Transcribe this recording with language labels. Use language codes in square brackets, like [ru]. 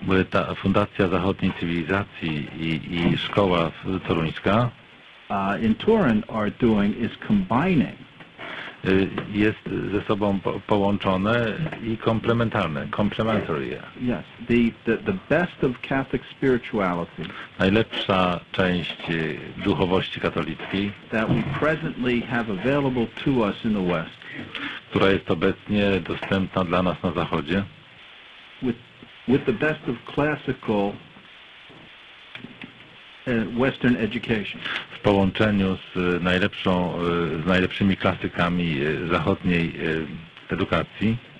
[pl] Ta Fundacja Zachodniej Cywilizacji i Szkoła Toruńska. [en] In Turin are doing is combining. [pl] Jest ze sobą połączone i komplementarne. [en] Complementary. Yes. The best of Catholic spirituality. [pl] Najlepsza część duchowości katolickiej. [en] That we presently have available to us in the West. [pl] Która jest obecnie dostępna dla nas na Zachodzie. [en] With the best of classical Western education. [pl] W połączeniu z najlepszymi klasykami zachodniej edukacji.